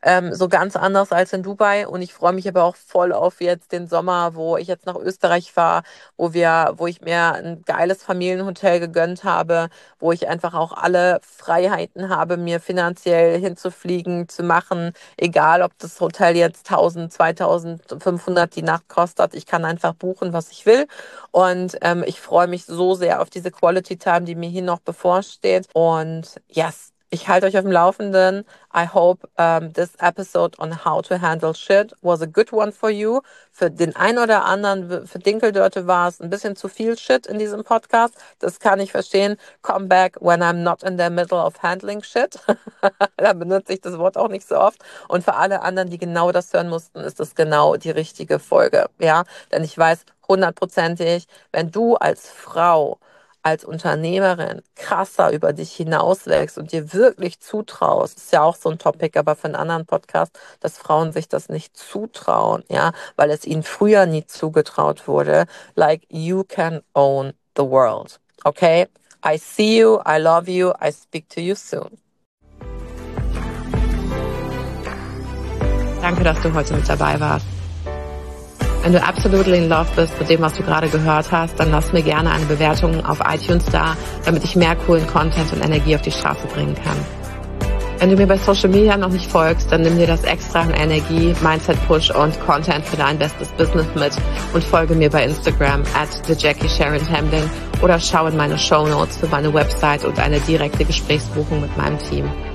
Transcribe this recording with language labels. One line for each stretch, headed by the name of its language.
German: So ganz anders als in Dubai. Und ich freue mich aber auch voll auf jetzt den Sommer, wo ich jetzt nach Österreich fahre, wo ich mir ein geiles Familienhotel gegönnt habe, wo ich einfach auch alle Freiheiten habe, mir finanziell hinzufliegen, zu machen. Egal, ob das Hotel jetzt 1000, 2500 die Nacht kostet. Ich kann einfach buchen, was ich will. Und ich freue mich so sehr auf diese Quality Time, die mir hier noch bevorsteht. Und yes, ich halte euch auf dem Laufenden.
English: I hope this episode on how to handle shit was a good one for you.
German: Für den einen oder anderen, für Dinkeldörte war es ein bisschen zu viel Shit in diesem Podcast. Das kann ich verstehen.
English: Come back when I'm not in the middle of handling shit.
German: Da benutze ich das Wort auch nicht so oft. Und für alle anderen, die genau das hören mussten, ist das genau die richtige Folge. Ja, denn ich weiß hundertprozentig, wenn du als Frau, als Unternehmerin krasser über dich hinauswächst und dir wirklich zutraust, ist ja auch so ein Topic, aber für einen anderen Podcast, dass Frauen sich das nicht zutrauen, ja, weil es ihnen früher nie zugetraut wurde.
English: Like, you can own the world. Okay? I see you, I love you, I speak to you soon.
German: Danke, dass du heute mit dabei warst. Wenn du absolut in love bist mit dem, was du gerade gehört hast, dann lass mir gerne eine Bewertung auf iTunes da, damit ich mehr coolen Content und Energie auf die Straße bringen kann. Wenn du mir bei Social Media noch nicht folgst, dann nimm dir das extra an Energie, Mindset Push und Content für dein bestes Business mit und folge mir bei Instagram @thejackiesharonhamlin oder schau in meine Show Notes für meine Website und eine direkte Gesprächsbuchung mit meinem Team.